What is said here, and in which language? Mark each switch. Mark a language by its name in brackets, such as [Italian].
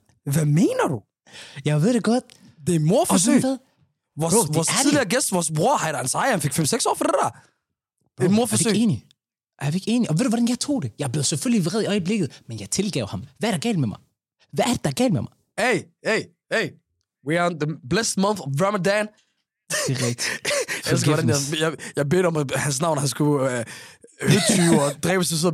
[Danish] Hvad mener du? Jeg ved det godt. Det er morforsøg. Vores tidligere gæst, vores bror, Heider Ansari, han fik 5-6 år for det der. Det er morforsøg. Er vi ikke enige? Og ved du, hvordan jeg tog det? Jeg blev selvfølgelig vred i øjeblikket, men jeg tilgav ham. Hvad er der galt med mig? Hvad er det, der er galt med mig? Hey, hey, hey. [English] We are on the blessed month of Ramadan. [Danish] Det er rigtigt. Jeg elsker, hvordan jeg bedte om, at hans navn, han skulle høtyve og dræbe sig.